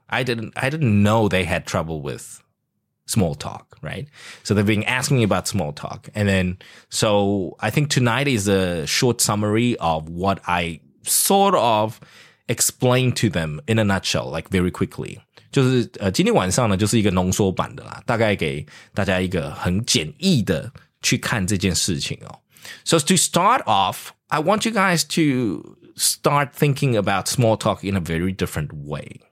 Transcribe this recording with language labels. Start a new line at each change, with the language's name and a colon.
English: I didn't know they had trouble with small talk, right? So they've been asking about small talk. And then, so I think tonight is a short summary of what I sort of explained to them in a nutshell, like very quickly.
Chinese: 就是今天晚上呢就是一个浓缩版的啦，大概给大家一个很简易的去看这件事情哦。
English: So to start off, I want you guys to start thinking about small talk in a very different way.